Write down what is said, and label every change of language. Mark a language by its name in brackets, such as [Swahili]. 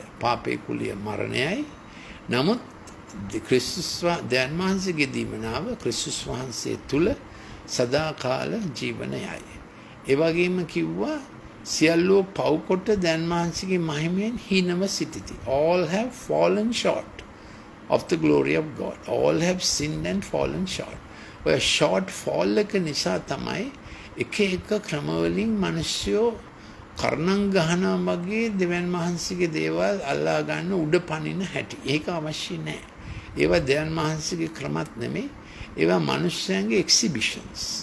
[Sinhala] පාපේ කුලිය මරණයයි. නමුත් ක්‍රිස්තුස් වහන්සේගේ දීමනාව ක්‍රිස්තුස් වහන්සේ තුල සදාකාල ජීවනයයි. ඒ වගේම කිව්වා සියලු පෞකොට දැන් මහන්සිගේ මහිමෙන් හිනව සිටිති. [English] All have fallen short of the glory of God. All have sinned and fallen short. [Sinhala] ඔය short fall එක නිසා තමයි එක එක ක්‍රමවලින් මිනිස්සු කර්ණම් ගහනා වගේ දෙවන් මහන්සිගේ දේවල් අල්ලා ගන්න උඩ පනින හැටි. ඒක අවශ්‍ය නැහැ. ඒවා දෙවන් මහන්සිගේ ක්‍රමත් නෙමෙයි. ඒවා මිනිස්සුන්ගේ exhibitions.